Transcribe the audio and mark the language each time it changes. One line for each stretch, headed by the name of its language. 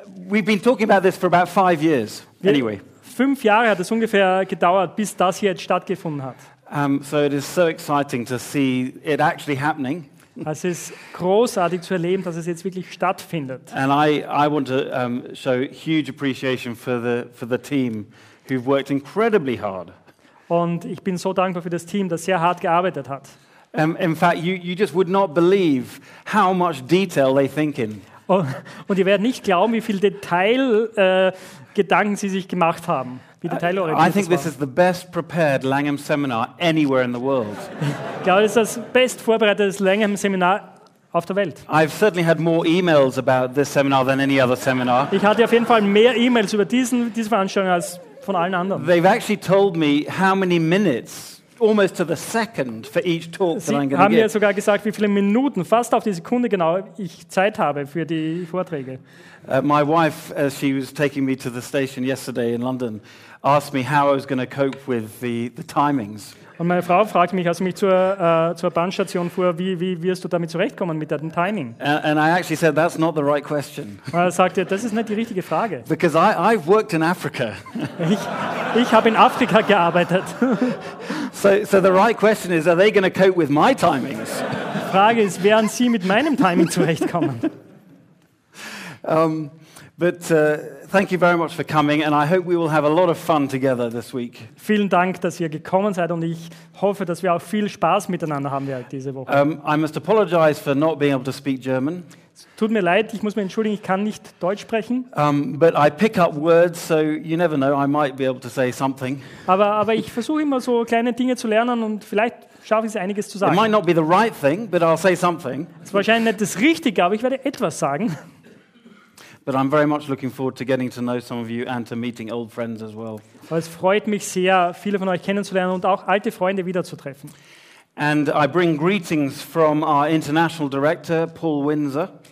English: We've been talking about this for about 5 years, anyway.
German: 5 Jahre hat es ungefähr gedauert, bis das hier jetzt stattgefunden hat.
English: So it is so exciting to see it actually happening.
German: Es ist großartig zu erleben, dass es jetzt wirklich stattfindet.
English: And I want to show huge appreciation for the team who've worked incredibly hard.
German: Und ich bin so dankbar für das Team, das sehr hart gearbeitet hat.
English: In fact, you just would not believe how much detail they think in.
German: Und ihr werdet nicht glauben, wie viel Detail Gedanken sie sich gemacht haben.
English: I think this is the best prepared Langham seminar anywhere in the world.
German: Ich glaube, das ist das best vorbereitete Langham Seminar auf der Welt.
English: I've certainly had more emails about this seminar than any other seminar.
German: Ich hatte auf jeden Fall mehr E-Mails über diese Veranstaltung als von allen anderen.
English: They've actually told me how many minutes almost to the second for each talk that I'm going to give.
German: Haben mir sogar gesagt, wie viele Minuten, fast auf die Sekunde genau, ich Zeit habe für die Vorträge.
English: My wife, as she was taking me to the station yesterday in London, asked me how I was going to cope with the timings.
German: Und meine Frau fragte mich, als ich mich zur Bahnstation fuhr, wie wirst du damit zurechtkommen mit deinem Timing?
English: And I actually said, that's not the right question.
German: Und er sagte, das ist nicht die richtige Frage.
English: Because I've worked in Africa.
German: Ich habe in Afrika gearbeitet.
English: So the right question is, are they going to cope with my timings?
German: Die Frage ist, werden sie mit meinem Timing zurechtkommen?
English: Thank you very much for coming, and I hope we will have a lot of fun together this week.
German: Vielen Dank, dass ihr gekommen seid, und ich hoffe, dass wir auch viel Spaß miteinander haben werden diese Woche.
English: I must apologize for not being able to speak German.
German: Tut mir leid, ich muss mich entschuldigen, ich kann nicht Deutsch sprechen.
English: But I pick up words, so you never know, I might be able to say something.
German: Aber ich versuche immer so kleine Dinge zu lernen, und vielleicht schaffe ich es, einiges zu sagen.
English: It might not be the right thing, but I'll say something.
German: Es ist wahrscheinlich nicht das Richtige, aber ich werde etwas sagen.
English: But I'm very much looking forward to getting to know some of you and to meeting old friends as well.
German: Es freut mich sehr, viele von euch kennenzulernen und auch alte Freunde wiederzutreffen.
English: And I bring greetings from our international director, Paul Windsor.